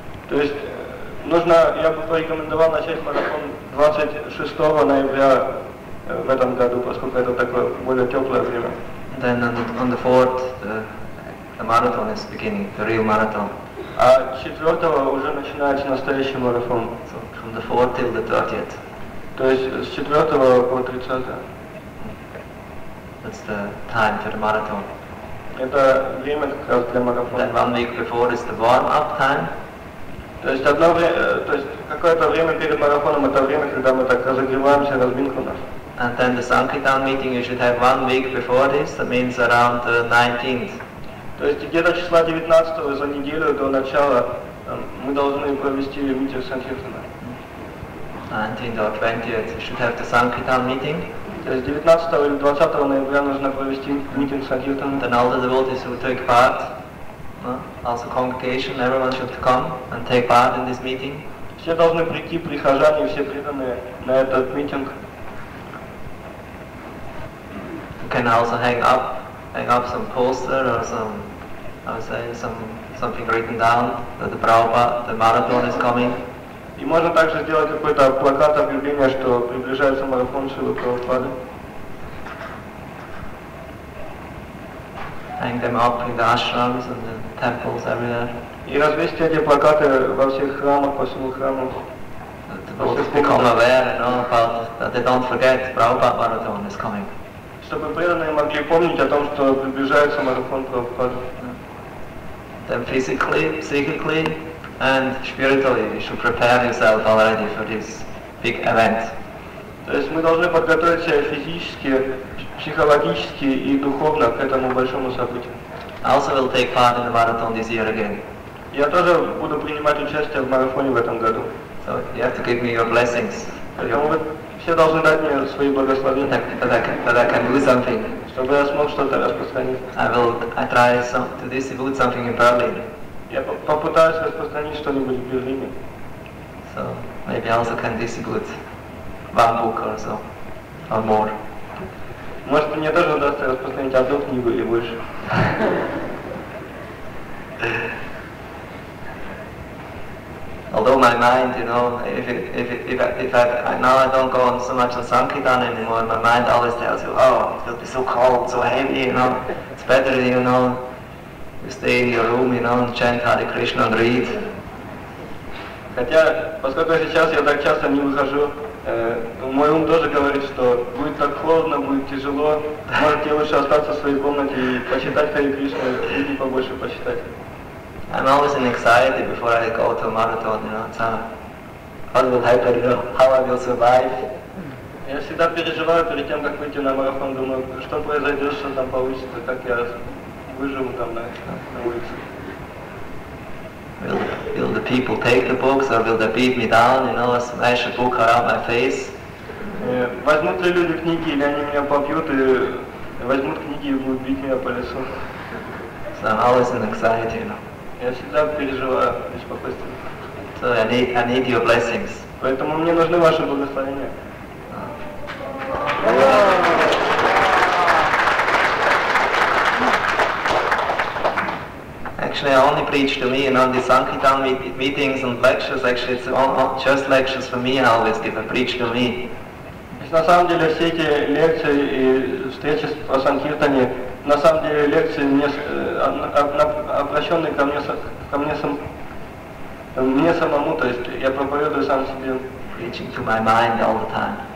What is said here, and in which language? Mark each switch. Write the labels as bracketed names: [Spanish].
[Russian] То есть нужно, я бы порекомендовал начать марафон 26 ноября в этом году, поскольку это такое более теплое время. [English] Then on the 4th the marathon is beginning, the real marathon. [Russian] А 4-го уже начинается настоящий марафон. [English] So from the 4th till the 30th. [Russian] То есть с 4 по 30. [English] That's the time for the marathon. [Russian] Это время как раз для марафона. [English] Then 1 week before is the warm-up time. [Russian] То есть одно время, то есть какое-то время перед марафоном, это время, когда мы так разогреваемся, разминку нас. [English] And then the Sankirtan meeting you should have 1 week before this, that means around the 19th. [Russian] То есть где-то числа 19 за неделю до начала мы должны провести митинг Санкиртана. [English] 19th or 20th, you should have the Sankirtan meeting. [Russian] То есть 19 или 20 ноября нужно провести митинг Санкиртана. [English] Then all the devotees will take part, also congregation, everyone should come and take part in this meeting. [Russian] Все должны прийти, прихожане, все преданные на этот митинг. [English] You can also hang up some poster or some, I would say, something written down that the Prabhupada, the marathon is coming. [Russian] И можно также сделать какой-то плакат объявления, что приближается марафон Шрилы Прабхупады. [English] Hang them up in the ashrams and the temples everywhere. [Russian] И развесить эти плакаты во всех храмах, по всему храму. Чтобы преданные могли помнить о том, что приближается марафон Прабхупады. [English] Then physically, psychically. And spiritually, you should prepare yourself already for this big event. [Russian] То есть мы должны подготовиться физически, психологически и духовно к этому большому событию. [English] I also will take part in the marathon this year again. [Russian] Я тоже буду принимать участие в марафоне в этом году. [English] So you have to give me your blessings. [Russian] Все должны дать мне свои благословения. [English] That I can do something. [Russian] Чтобы я смог что-то распространить. [English] I try to distribute something in Berlin. [Russian] Я попытаюсь распространить что-нибудь в Берлине. [English] So, maybe also can distribute one book or so, or more. [Russian] Может, мне тоже удастся распространить одну книгу или больше. [English] Although my mind, you know, if I don't go on so much on Sankirtan anymore, my mind always tells you, oh, it will be so cold, so heavy, you know. It's better, you know, stay in your room, you know, and chant Hare Krishna and read. [Russian] Хотя, поскольку сейчас я так часто не выхожу, мой ум тоже говорит, что будет так холодно, будет тяжело, можете лучше остаться в своей комнате и почитать Хари Кришну, книги побольше почитать. [English] I'm always in anxiety before I go to a marathon, you know, so what will happen, you know, how I will survive. [Russian] Я всегда переживаю перед тем, как выйти на марафон, думаю, что произойдет, что там получится, как я выживу там на улице. [English] Will the people take the books or will they beat me down, you know, smash a book around my face? [Russian] Возьмут ли люди книги или они меня побьют и возьмут книги и будут бить меня по лесу? [English] So I'm always in anxiety, you know. [Russian] Я всегда переживаю беспокойство. [English] So I need your blessings. [Russian] Поэтому мне нужны ваши благословения. [English] Actually, I only preach to me, and on the Sankirtan meetings and lectures, actually, it's all just lectures for me. I always give a preach to me. [Russian] На самом деле все эти лекции и встречи о Санкиртане, на самом деле лекции мне обращенные ко мне самому, то есть я проповедую сам себе. [English] Preaching to my mind all the time.